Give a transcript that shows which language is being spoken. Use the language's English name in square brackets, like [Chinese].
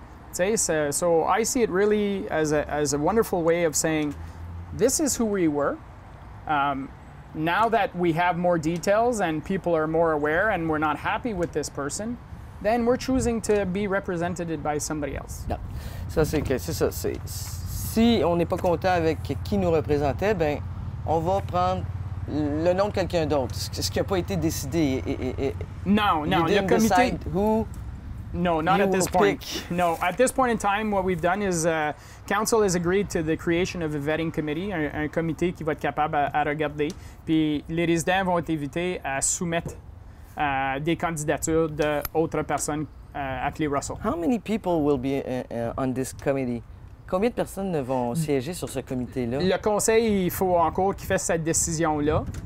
[English] So I see it really as a wonderful way of saying, this is who we were. now that we have more details and people are more aware and we're not happy with this person, then we're choosing to be represented by somebody else. [French] Non. Ça, c'est que, c'est ça. C'est, si on n'est pas content avec qui nous représentait, ben on va prendre le nom de quelqu'un d'autre, ce qui n'a pas été décidé. Non, le comité... [English] No, not at this point. No, at this point in time, what we've done is council has agreed to the creation of a vetting committee, [French] un comité qui va être capable à regarder. Puis les résidents vont être invités à soumettre des candidatures d'autres personnes à Clay Russell. [English] How many people will be on this committee? [French] Combien de personnes vont siéger sur ce comité-là? Le conseil, il faut encore qu'il fasse cette décision-là.